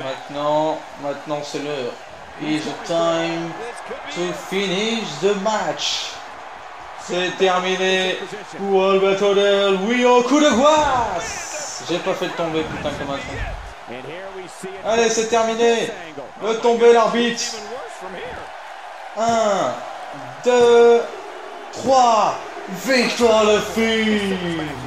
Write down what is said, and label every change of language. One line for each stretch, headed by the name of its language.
French: Maintenant, c'est l'heure.
English: It's time to finish the match.
French: C'est terminé pour Alberto Del Rio, coup de grâce! J'ai pas fait de tomber, putain, comme un con. Allez, c'est terminé! Le tomber, l'arbitre! 1, 2, 3, victoire le film!